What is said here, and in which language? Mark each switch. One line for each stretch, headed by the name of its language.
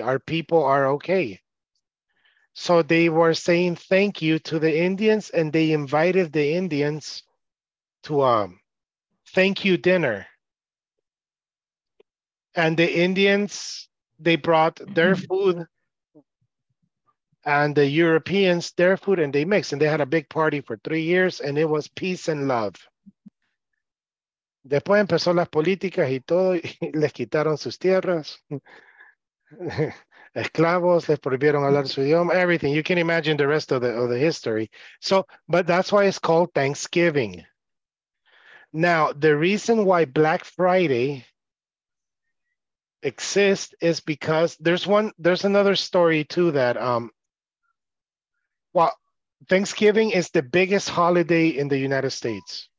English: Our people are okay. So they were saying thank you to the Indians and they invited the Indians to a thank you dinner. And the Indians, they brought their food and the Europeans, their food, and they mixed. And they had a big party for 3 years and it was peace and love.
Spanish: Después empezó las políticas y todo, y les quitaron sus tierras. Esclavos, les prohibieron hablar su idioma, everything.
English: You can imagine the rest of the history. So, but that's why it's called Thanksgiving. Now, the reason why Black Friday exists is because there's another story too that, well, Thanksgiving is the biggest holiday in the United States.